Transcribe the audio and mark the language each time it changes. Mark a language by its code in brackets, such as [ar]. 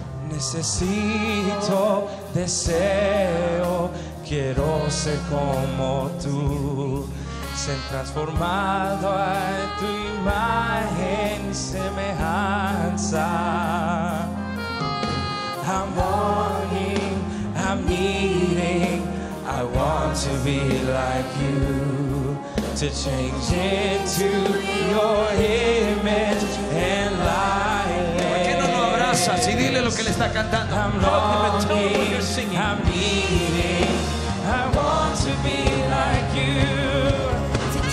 [es] Necesito, deseo, quiero ser como tú, ser transformado a tu imagen y semejanza. [en] I'm longing, I'm needing, I want to be like you, to change into your image and likeness. [es] ¿Por qué no lo abrazas y dile lo que le está cantando? [en] I'm longing, I'm needing, I want to be like you.